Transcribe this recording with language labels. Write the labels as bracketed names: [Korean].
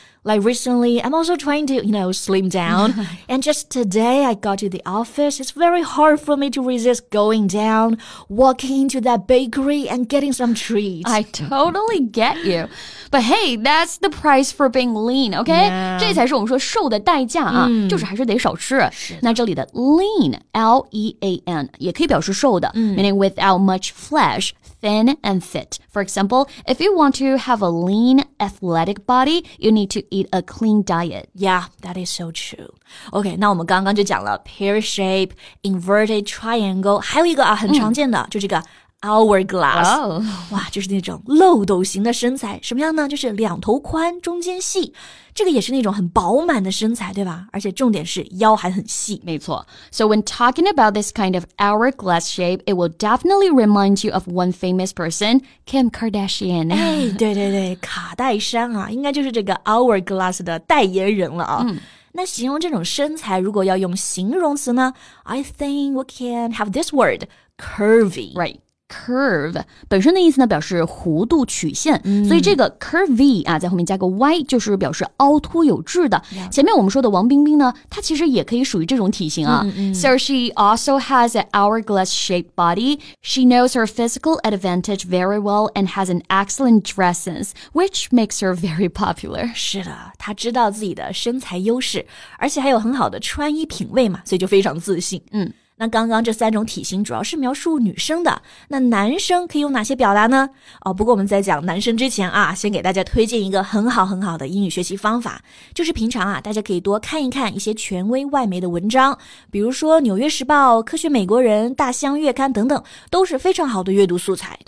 [English] Like recently, I'm also trying to, you know, slim down. And just today, I got to the office. It's very hard for me to resist going down, walking into that bakery and getting some treats. I totally get you. But hey, that's the price for being lean, okay? Yeah. [Chinese] 这才是我们说瘦的代价啊、就是还是得少吃。那这里的 [English] lean, L-E-A-N, [Chinese] 也可以表示瘦的、 [English] meaning without much flesh, thin and fit. For example, if you want to have a lean, athletic body, you need to eat a clean diet. Yeah, that is so true. [Chinese] Okay, 那我们刚刚就讲了 pear shape, inverted triangle, 还有一个啊很常见的、就这个hourglass. [English] Wow. [Chinese] 哇，就是那种漏斗型的身材，什么样呢？就是两头宽，中间细，这个也是那种很饱满的身材，对吧？而且重点是腰还很细。没错。 [English] So when talking about this kind of hourglass shape, it will definitely remind you of one famous person, Kim Kardashian. [Chinese] 哎，对对对，卡戴珊啊，应该就是这个 hourglass 的代言人了啊。嗯，那形容这种身材如果要用形容词呢 [English] I think we can have this word, curvy. [Chinese] Right, curve 本身的意思呢表示弧度曲线、嗯、所以这个 curvy 啊在后面加个 y 就是表示凹凸有致的、 [English] yeah. [Chinese] 前面我们说的王冰冰呢她其实也可以属于这种体型啊、嗯嗯、 [English] So she also has an hourglass shaped body. She knows her physical advantage very well and has an excellent dress sense, which makes her very popular. [Chinese] 是的他知道自己的身材优势而且还有很好的穿衣品味嘛所以就非常自信嗯，那刚刚这三种体型主要是描述女生的那男生可以用哪些表达呢哦，不过我们在讲男生之前啊先给大家推荐一个很好很好的英语学习方法就是平常啊大家可以多看一看一些权威外媒的文章比如说纽约时报科学美国人大象月刊等等都是非常好的阅读素材